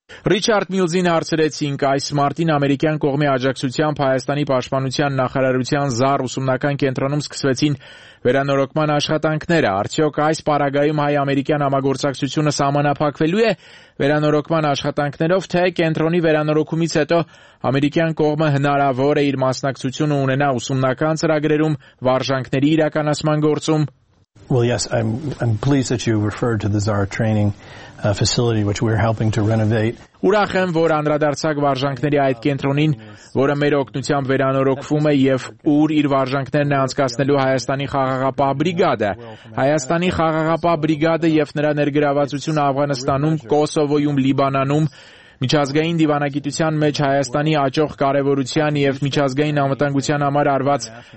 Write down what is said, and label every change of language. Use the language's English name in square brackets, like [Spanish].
[Armenian] Ռիչարդ Միլզին հարցրեցինք այս մարտին ամերիկյան կողմի աջակցությամբ Հայաստանի պաշտպանության նախարարության ԶԱՌ ուսումնական կենտրոնում սկսվեցին վերանորոգման աշխատանքները, արդյոք այս պարագայում հայ-ամերիկյան համագործակցությունը սահմանափակվելու է վերանորոգման աշխատանքներով, թե կենտրոնի վերանորոգումից հետո ամերիկյան կողմը հնարավոր է իր մասնակցությունը ունենա ուսումնական ծրագրերում, վարժանքների իրականացման գործում։ [English] Well, yes, I'm pleased that you referred to the ZAR training facility, which we're helping to renovate. [Armenian] Ուրախ եմ, որ անդրադարձակ վարժանքների այդ կենտրոնին, որը մեր օգնությամբ վերանորոգվում է եւ ուր իր վարժանքներն է անցկացնելու Հայաստանի խաղաղապահ բրիգադը։ Հայաստանի խաղաղապահ բրիգադը եւ նրա ներգրավվածությունը Աֆղանստանում, Կոսովոյում, Լիբանանում միջազգային դիվանագիտության մեջ Հայաստանի աջող կարևորության եւ միջազգային անվտանգության համար արված